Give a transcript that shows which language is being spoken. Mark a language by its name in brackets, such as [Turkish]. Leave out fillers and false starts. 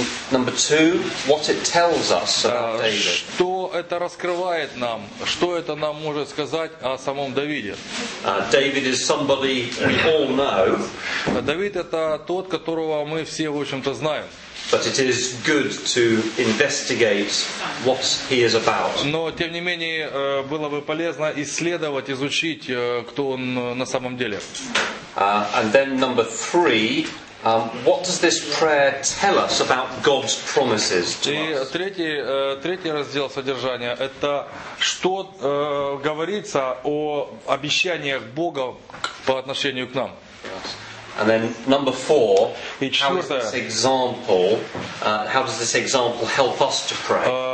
[English] Number two, what it tells us about David. [Russian] Что это раскрывает нам? Что это нам может сказать о самом Давиде? [English] David is somebody we all know. [Russian] Давид это тот, которого мы все, в общем-то, знаем. [English] But it is good to investigate what he is about. [Russian] Но тем не менее было бы полезно исследовать, изучить, кто он на самом деле. [English] And then number three. What does this prayer tell us about God's promises to us? [Russian] И третий раздел содержания это что говорится о обещаниях Бога по отношению к нам. [English] And then number four, how does this example help us to pray?